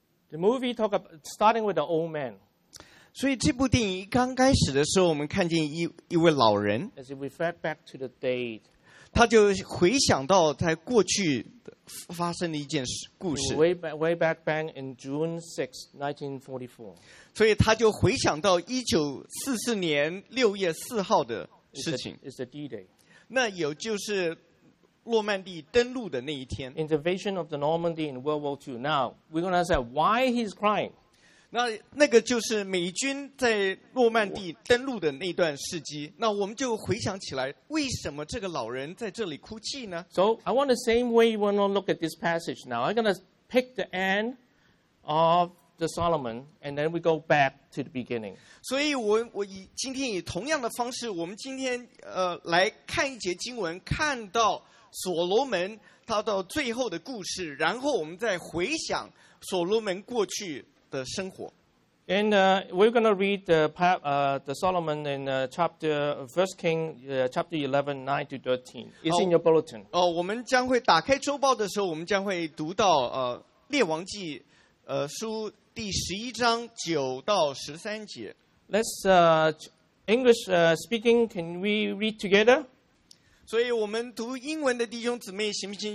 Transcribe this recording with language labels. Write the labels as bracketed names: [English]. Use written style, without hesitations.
[English] Movie talk about starting with the old man. [Chinese] 所以这部电影刚开始的时候，我们看见一位老人。 [English] As he reflect back to the day, [Chinese] 他就回想到在过去发生的一件故事。 [English] Way back in June 6, 1944. [Chinese] 所以他就回想到1944年6月4号的事情。 [English] It's the D-Day. [Chinese] 那也就是诺曼底登陆的那一天 [English] ，Invasion of the Normandy in World War II. Now we're going to ask why he's crying. [Chinese] 那个就是美军在诺曼底登陆的那段事迹。那我们就回想起来，为什么这个老人在这里哭泣呢 [English] ？So I want the same way you want to look at this passage. Now I'm going to pick the end of the Solomon, and then we go back to the beginning. [Chinese] 所以我以今天以同样的方式，我们今天来看一节经文，看到。所罗门他到最后的故事，然后我们再回想所罗门过去的生活。 [English] And we're going to read the Solomon in chapter First King chapter 11:9-13. It's in your bulletin. [Chinese] 我们将会打开周报的时候，我们将会读到列王记书第十一章九到十三节。 [English] Let's English speaking. Can we read together? [Chinese] 所以我们读英文的弟兄姊妹行不行？